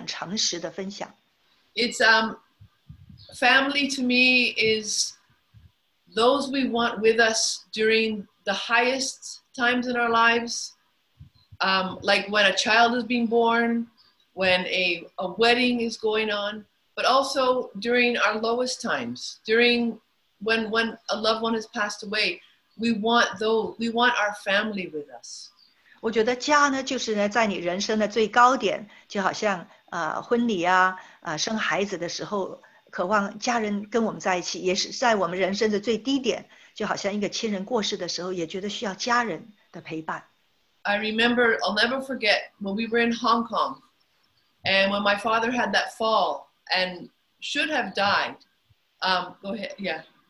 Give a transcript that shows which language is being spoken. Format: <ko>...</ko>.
<zh>我觉得家是一个地方可以无条件的被爱，哪怕不是被完全明白，但是呢，我们可以很安全的，可以呢很敞开，可以很诚实的分享。</zh> <en>It's family to me is those we want with us during the highest times in our lives, like when a child is being born. When a wedding is going on, but also during our lowest times, during when a loved one has passed away, we want our family with us.</en> <zh>我觉得家呢，就是呢，在你人生的最高点，就好像婚礼啊，生孩子的时候，渴望家人跟我们在一起，也是在我们人生的最低点，就好像一个亲人过世的时候，也觉得需要家人的陪伴。</zh> <en>I remember, I'll never forget when we were in Hong Kong. And when my father had that fall and should have died, go ahead, yeah.</en>